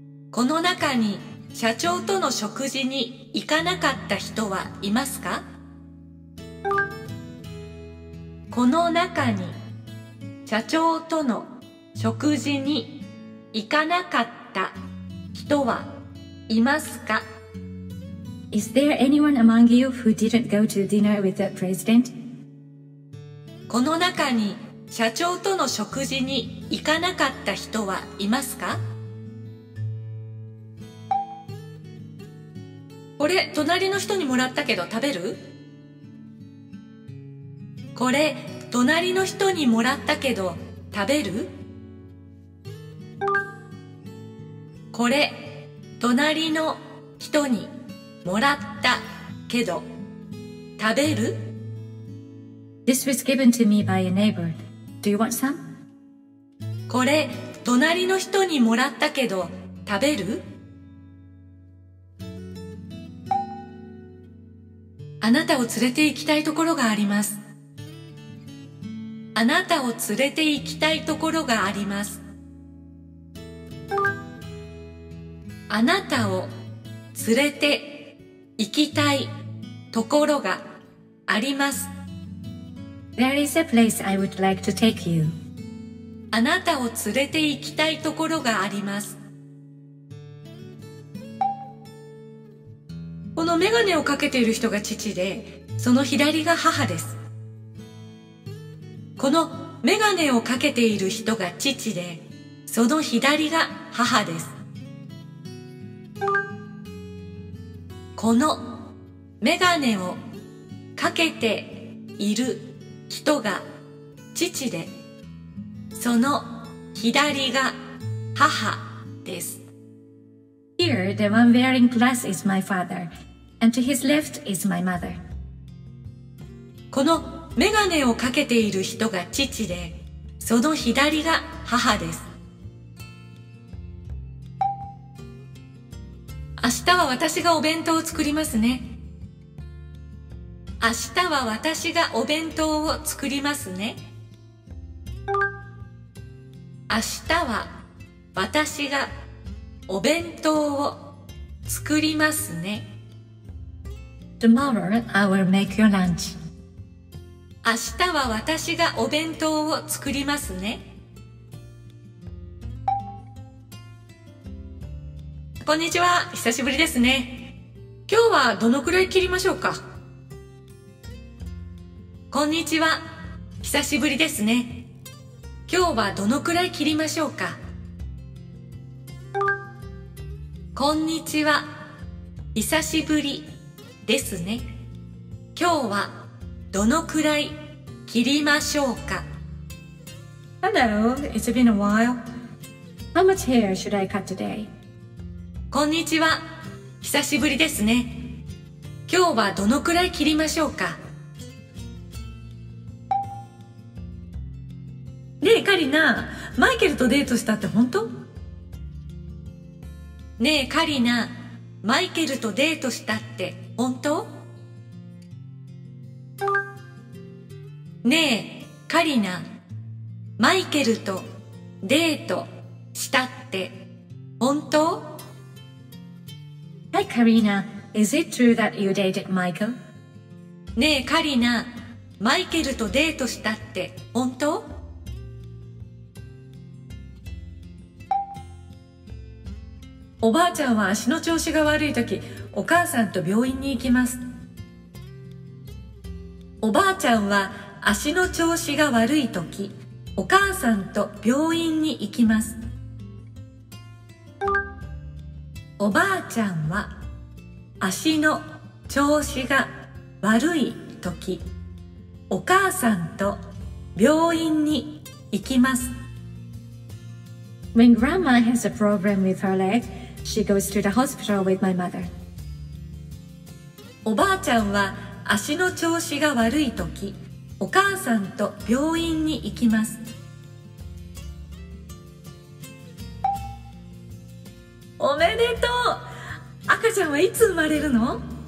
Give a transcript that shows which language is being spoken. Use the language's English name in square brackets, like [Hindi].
[Japanese] この中に社長との食事に行かなかった人はいますか？この中に社長との食事に行かなかった人はいますか？ [English] Is there anyone among you who didn't go to dinner with the president? [Japanese] この中に社長との食事に行かなかった人はいますか？これ隣の人にもらったけど食べる？これ隣の人にもらったけど食べる？これ隣の人にもらったけど食べる？ [English] This was given to me by a neighbor. Do you want some? [Japanese] これ隣の人にもらったけど食べる？あなたを連れて行きたいところがあります。あなたを連れて行きたいところがあります。あなたを連れて行きたいところがあります。 [English] There is a place I would like to take you. [Japanese] あなたを連れて行きたいところがあります。このメガネをかけている人が父で、その左が母です。このメガネをかけている人が父で、その左が母です。このメガネをかけている人が父で、その左が母です。 [English] Here, the one wearing glass is my father, and to his left is my mother. [Japanese] このメガネをかけている人が父で、その左が母です。明日は私がお弁当を作りますね。明日は私がお弁当を作りますね。明日は私がお弁当を作りますね。 [English] Tomorrow I will make your lunch. [Japanese] 明日は私がお弁当を作りますね。こんにちは、久しぶりですね。今日はどのくらい切りましょうか。こんにちは、久しぶりですね。今日はどのくらい切りましょうか。こんにちは、久しぶりですね。今日はどのくらい切りましょうか。 [English] Hello, it's been a while. How much hair should I cut today? [Japanese] こんにちは、久しぶりですね。今日はどのくらい切りましょうか。ねえカリナ、マイケルとデートしたって本当？ねえカリナ、マイケルとデートしたって本当？ねえカリナ、マイケルとデートしたって本当？ [English] Hi, Karina. Is it true that you dated Michael? [Japanese] ねえ、カリナ、マイケルとデートしたって本当？おばあちゃんは足の調子が悪いとき、お母さんと病院に行きます。おばあちゃんは足の調子が悪いとき、お母さんと病院に行きます。おばあちゃんは足の調子が悪いとき、お母さんと病院に行きます。 [English] When grandma has a problem with her leg, she goes to the hospital with my mother. [Japanese] おばあちゃんは足の調子が悪いとき、お母さんと病院に行きます。おめでとう。赤ちゃんはいつ生まれるの？